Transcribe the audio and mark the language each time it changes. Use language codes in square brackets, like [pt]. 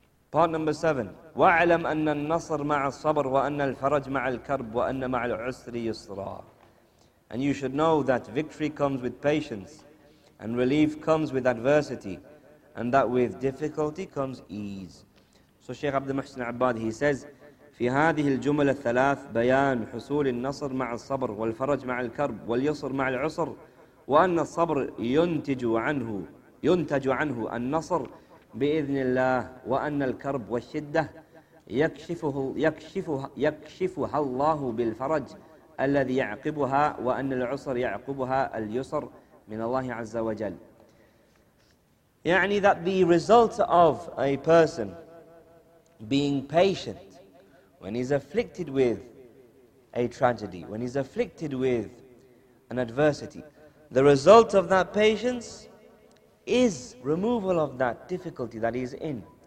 [en] Part number seven. [ar] وَاعْلَمْ أَنَّ النَّصْرَ مَعَ الصَّبْرِ وَأَنَّ الْفَرَجَ مَعَ الْكَرْبِ وَأَنَّ مَعَ الْعُسْرِ يُسْرًا. [en] And you should know that victory comes with patience and relief comes with adversity, and that with difficulty comes ease. So Shaykh Abdul Muhsin Abad, he says, [ar] في هذه الجمل الثلاث بيان حصول النصر مع الصبر والفرج مع الكرب واليسر مع العسر وأن الصبر ينتج عنه النصر بإذن الله وأن الكرب والشدة يكشفها الله بالفرج الذي يعقبها وأن العسر يعقبها اليسر من الله عز وجل. [en] يعني that the result of a person being patient when he's afflicted with a tragedy, when he's afflicted with an adversity, the result of that patience is removal of that difficulty that he's in.